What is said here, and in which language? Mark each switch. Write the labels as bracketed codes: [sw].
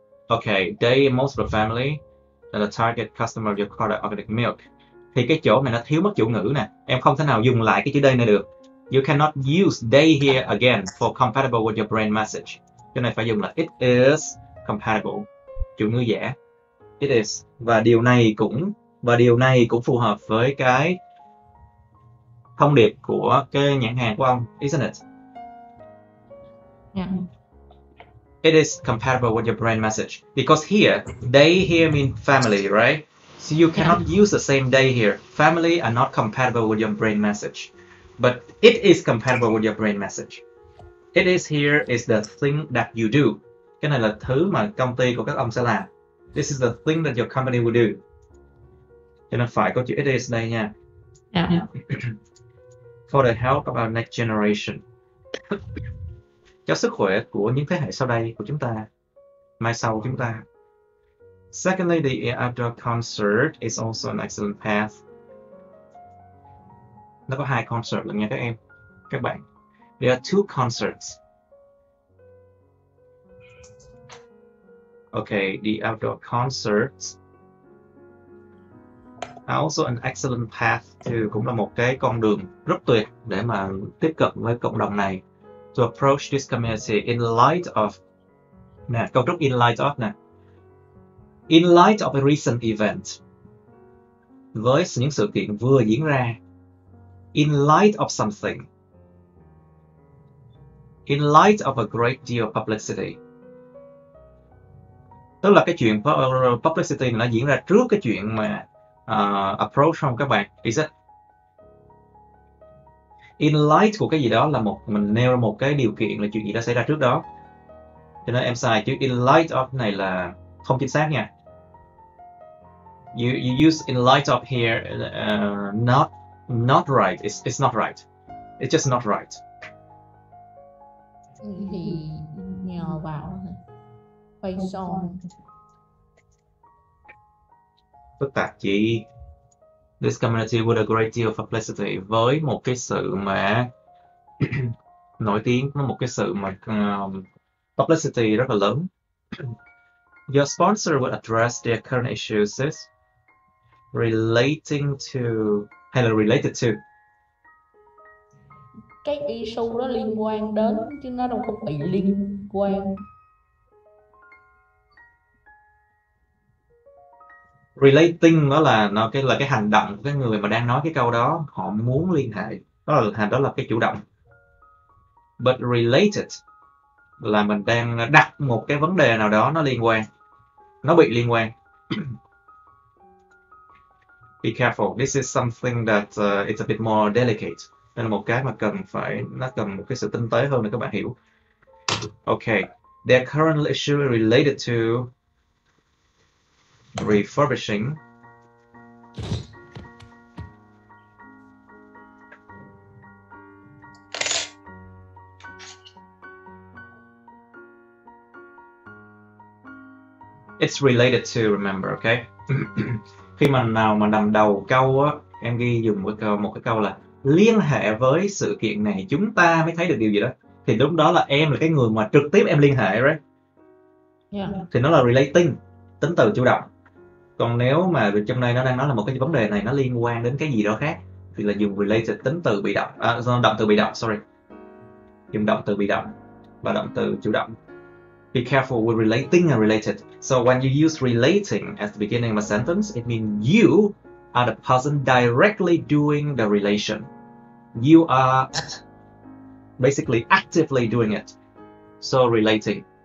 [en] Okay, they most of the family are the target customer of your product organic milk. [vi] Thì cái chỗ này nó thiếu mất chủ ngữ nè. Em không thể nào dùng lại cái chữ đây này được. [en] You cannot use they here again for compatible with your brand message. [vi] Chỗ này phải dùng là [en] it is compatible. [vi] Chủ ngữ dễ. [en] It is. [vi] Và điều này cũng phù hợp với cái thông điệp của cái nhãn hàng của ông, [en] isn't it? Yeah. It is compatible with your brand message. Because here, they here mean family, right? So you cannot use the same day here. Family are not compatible with your brain message. But it is compatible with your brain message. It is here is the thing that you do. [vi] Cái này là thứ mà công ty của các ông sẽ làm. [en] This is the thing that your company will do. [vi] Cho nên phải có chữ [en] it is [vi] đây nha. [en] Yeah. For the health of our next generation. [vi] Cho sức khỏe của những thế hệ sau đây của chúng ta. Mai sau chúng ta. [en] Secondly, the outdoor concert is also an excellent path. [vi] Nó có hai concert nha các em, các bạn. [en] There are two concerts. Okay, the outdoor concerts are also an excellent path to, [vi] cũng là một cái con đường rất tuyệt để mà tiếp cận với cộng đồng này. [en] To approach this community in light of, nè, [vi] câu trúc [en] in light of nè. In light of a recent event, [vi] với những sự kiện vừa diễn ra, [en] in light of something, in light of a great deal of publicity, [vi] tức là cái chuyện publicity nó diễn ra trước cái chuyện mà approach không các bạn, [en] is it? [vi] In light của cái gì đó là một mình nêu ra một cái điều kiện là chuyện gì đã xảy ra trước đó, cho nên em sai chứ in light of này là không chính xác nha. [en] You use in light of here not right. It's not right. It's just not right. [vi] Thì nhờ vào quay son. Phức tạp chị. [en] This community with a great deal of publicity, [vi] với một cái sự mà nổi tiếng, một cái sự mà publicity rất là lớn. [en] Your sponsor will address their current issues is relating to, hay là related to. [vi] Cái issue đó liên quan đến, chứ nó đâu có bị liên quan. Relating đó là nó cái là cái hành động của cái người mà đang nói cái câu đó, họ muốn liên hệ. Đó là cái chủ động. [en] But related [vi] là mình đang đặt một cái vấn đề nào đó nó liên quan. Nó bị liên quan. [en] Be careful. This is something that it's a bit more delicate. [vi] Đây là một cái mà cần phải, nó cần một cái sự tinh tế hơn để các bạn hiểu. [en] Okay. Their current issue related to refurbishing. It's related to, remember, okay? [vi] Khi mà nào mà đằng đầu câu á, em ghi dùng một cái câu là liên hệ với sự kiện này chúng ta mới thấy được điều gì đó, thì lúc đó là em là cái người mà trực tiếp em liên hệ, right? [en] Yeah. [vi] Thì nó là relating, tính từ chủ động. Còn nếu mà trong đây nó đang nói là một cái vấn đề này nó liên quan đến cái gì đó khác thì là dùng related, tính từ bị động, động từ bị động, sorry, dùng động từ bị động và động từ chủ động. [en] Be careful with relating and related. So when you use relating at the beginning of a sentence, it means you are the person directly doing the relation. You are basically actively doing it. So relating.